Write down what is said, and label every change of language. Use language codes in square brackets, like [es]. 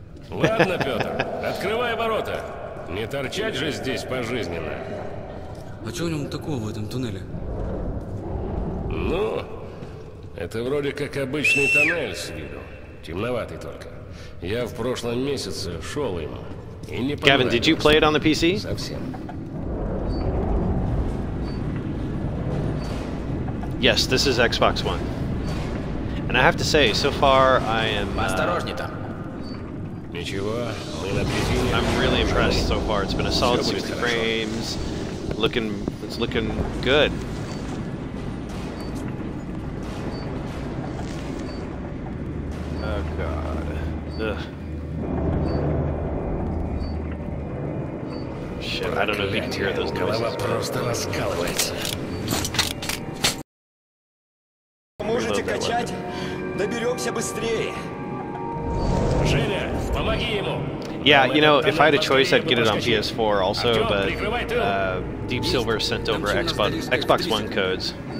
[ru] Ладно, Петр, открывай ворота. Не торчать же здесь пожизненно. А что у него такого в этом туннеле? Ну, это вроде как обычный туннель с виду. Темноватый только. Я в прошлом месяце шел им. [en] Gavin, did you play it on the PC? Yes, this is Xbox One. And I have to say, so far I am... I'm really impressed so far. It's been a solid 60 frames. It's looking good. Oh god. Ugh. Shit, I don't know if you can hear those noises. [ru] Можете качать, доберемся быстрее. Женя, помоги ему. [en] Yeah, you know, if I had a choice, I'd get it on PS4 also, but Deep Silver sent over Xbox One codes.